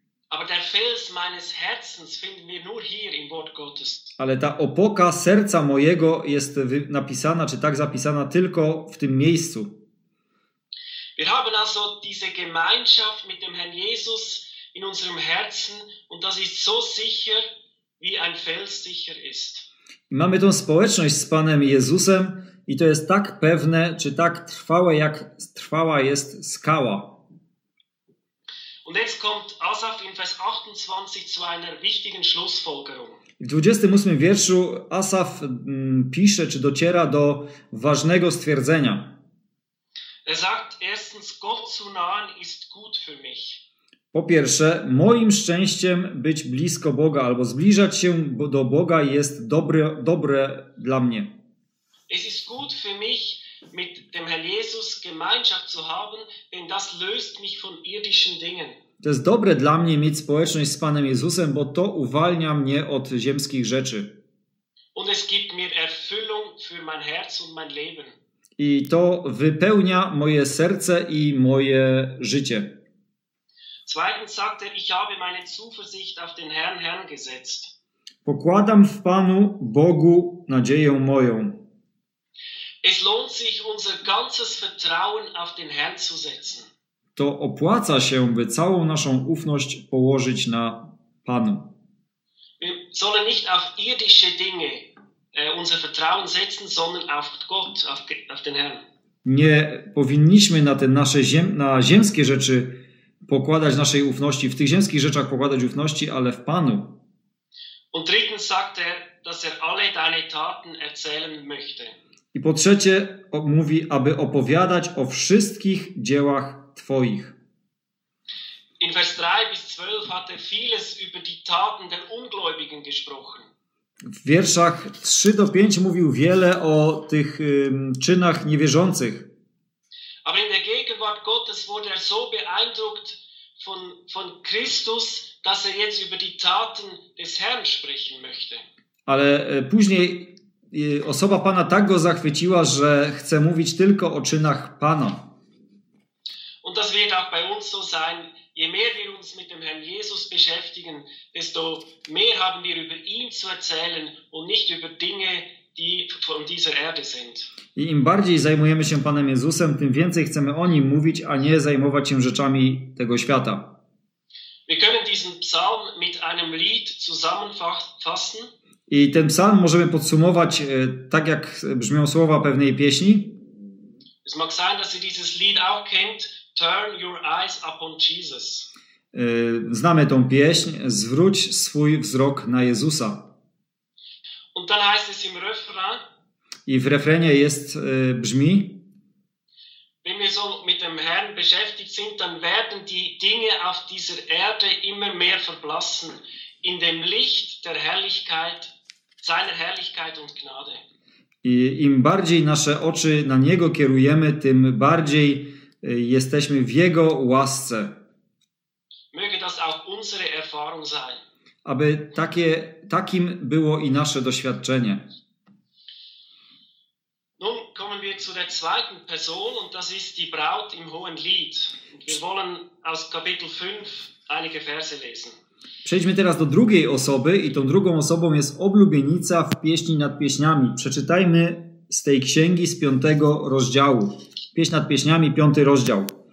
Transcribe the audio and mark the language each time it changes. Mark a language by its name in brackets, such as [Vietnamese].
[German] Aber der Fels meines Herzens finden wir nur hier im Wort Gottes. [Polish] Ale ta opoka serca mojego jest napisana, czy tak zapisana, tylko w tym miejscu. [German] Wir haben also diese Gemeinschaft mit dem Herrn Jesus in unserem Herzen und das ist so sicher, wie ein Fels sicher ist. [Polish] Mamy tą społeczność z Panem Jezusem i to jest tak pewne, czy tak trwałe, jak trwała jest skała. [German] Und jetzt kommt Asaf in Vers 28 zu einer wichtigen Schlussfolgerung. [Polish] W 28 wierszu Asaf pisze, czy dociera do ważnego stwierdzenia. [German] Er sagt: Erstens, Gott zu nahen ist gut für mich. [Polish] Po pierwsze, moim szczęściem być blisko Boga albo zbliżać się do Boga jest dobre dla mnie. [German] Es ist gut für mich, mit dem Herrn Jesus Gemeinschaft zu haben, denn das löst mich von irdischen Dingen. [Polish] To jest dobre dla mnie mieć społeczność z Panem Jezusem, bo to uwalnia mnie od ziemskich rzeczy. [German] Und es gibt mir Erfüllung für mein Herz und mein Leben. [Polish] I to wypełnia moje serce i moje życie. [German] Zweitens sagt er, ich habe meine Zuversicht auf den Herrn, Herrn gesetzt. [Polish] Pokładam w Panu Bogu nadzieję moją. [German] Es lohnt sich, unser ganzes Vertrauen auf den Herrn zu setzen. [Polish] To opłaca się, by całą naszą ufność położyć na Panu. [German] Wir sollen nicht auf irdische Dinge unser Vertrauen setzen, sondern auf Gott, auf den Herrn. [Polish] Nie powinniśmy na te nasze na ziemskie rzeczy pokładać naszej ufności, w tych ziemskich rzeczach pokładać ufności, ale w Panu. [German] Und drittens sagt er, dass er alle deine Taten erzählen möchte. [Polish] I po trzecie mówi, aby opowiadać o wszystkich dziełach Twoich. [German] In Vers 3 bis 12 hat er vieles über die Taten der Ungläubigen gesprochen. [Polish] W wierszach 3 do 5 mówił wiele o tych czynach niewierzących. [German] Aber in der Gegenwart Gottes wurde er so beeindruckt von Christus, dass er jetzt über die Taten des Herrn sprechen möchte. [Polish] Ale później osoba Pana tak go zachwyciła, że chce mówić tylko o czynach Pana. [German] Und das wird auch bei uns so sein. Je mehr wir uns mit dem Herrn Jesus beschäftigen, desto mehr haben wir über ihn zu erzählen und nicht über Dinge, die von dieser Erde sind. [Polish] I im bardziej zajmujemy się Panem Jezusem, tym więcej chcemy o nim mówić, a nie zajmować się rzeczami tego świata. [German] Wir können diesen Psalm mit einem Lied zusammenfassen. [Polish] I ten psalm możemy podsumować tak, jak brzmią słowa pewnej pieśni. [German] Es mag sein, dass ihr dieses Lied auch kennt. [English] Turn your eyes upon Jesus. [Polish] Znamy tą pieśń. Zwróć swój wzrok na Jezusa. [German] Und dann heißt es im Refrain. [Polish] I w refrenie jest brzmi. [German] Wenn wir so mit dem Herrn beschäftigt sind, dann werden die Dinge auf dieser Erde immer mehr verblassen in dem Licht der Herrlichkeit, seiner Herrlichkeit und Gnade. [Polish] I im bardziej nasze oczy na Niego kierujemy, tym bardziej jesteśmy w Jego łasce. [German] Möge das auch unsere Erfahrung sein. [Polish] Aby takim było i nasze doświadczenie. [German] Nun kommen wir zu der zweiten Person und das ist die Braut im Hohen Lied. Wir wollen aus Kapitel 5 einige Verse lesen. [Polish] Przejdźmy teraz do drugiej osoby i tą drugą osobą jest oblubienica w Pieśni nad Pieśniami. Przeczytajmy z tej księgi z 5 rozdziału. Pieśń nad Pieśniami, 5 rozdział.